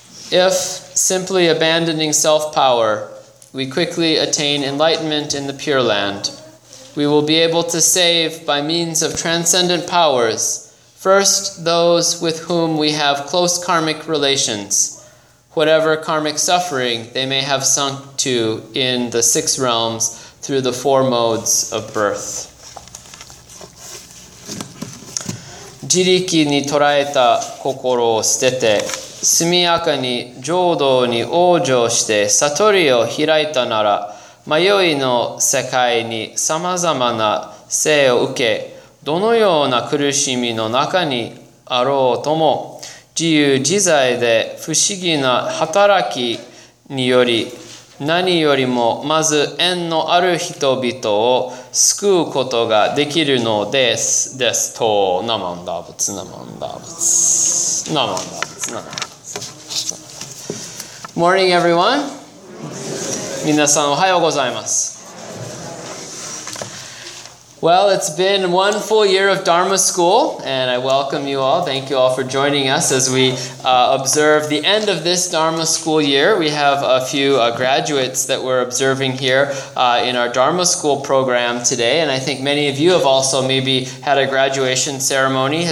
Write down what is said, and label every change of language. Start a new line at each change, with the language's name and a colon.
English: If, simply abandoning self-power, we quickly attain enlightenment in the Pure Land, we will be able to save, by means of transcendent powers, first those with whom we have close karmic relations, whatever karmic suffering they may have sunk to in the six realms through the four modes of birth.
Japanese: 自力に捉えた心を捨てて、速やかに浄土に往生して悟りを開いたなら、迷いの世界にさまざまな生を受け、どのような苦しみの中にあろうとも、自由自在で不思議な働きにより、何よりもまず縁のある人々を救うことができるのです。ですと、ナマンダブツ、ナマンダブツ、ナマンダブツ、ナマンダブツ。
English: Morning, everyone.
Japanese: 皆さん、おはようございます。
English: Well, it's been one full year of Dharma School, and I welcome you all. Thank you all for joining us as we observe the end of this Dharma School year. We have a few graduates that we're observing here in our Dharma School program today, and I think many of you have also maybe had a graduation ceremony.